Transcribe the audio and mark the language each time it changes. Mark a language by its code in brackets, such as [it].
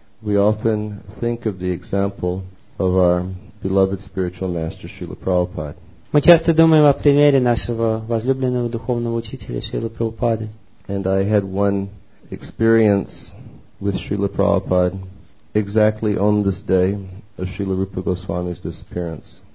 [en] We often think of the example of our beloved spiritual master Srila Prabhupada. [ru] Мы часто думаем о примере нашего возлюбленного духовного учителя Шрилы Прабхупады. [en] And I had one experience with Srila Prabhupada exactly on this day of Srila Rupa Goswami's disappearance.